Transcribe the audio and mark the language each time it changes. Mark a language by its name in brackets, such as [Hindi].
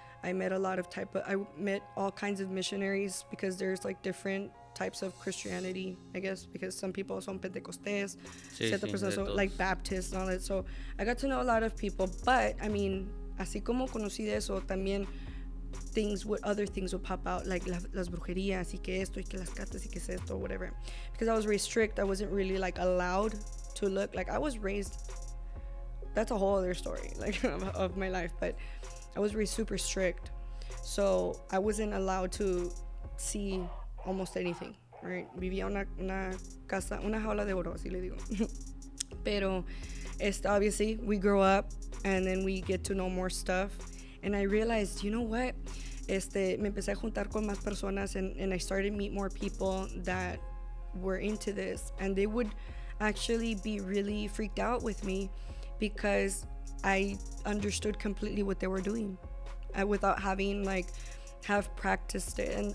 [English] I met a lot of I met all kinds of missionaries because there's like different types of Christianity, I guess, because some people [Spanish] son Pentecostes, [English] like Baptists and all that. So I got to know a lot of people, but I mean, [Spanish] así como conocí de eso, también [English] other things would pop out, like [Spanish] las brujerías y que esto [English] y que las cartas y que esto, whatever. Because I was very strict, I wasn't really like allowed to look. Like I was raised, that's a whole other story, like of my life, but I was raised super strict. So I wasn't allowed to see almost anything, right? [Spanish] Vivía una casa, una jaula de oro, así le digo. [English] Pero obviously we grow up and then we get to know more stuff. And I realized, you know what? [Spanish] Me empecé a juntar con más personas [English] and I started to meet more people that were into this. And they would actually be really freaked out with me because I understood completely what they were doing without having like have practiced it.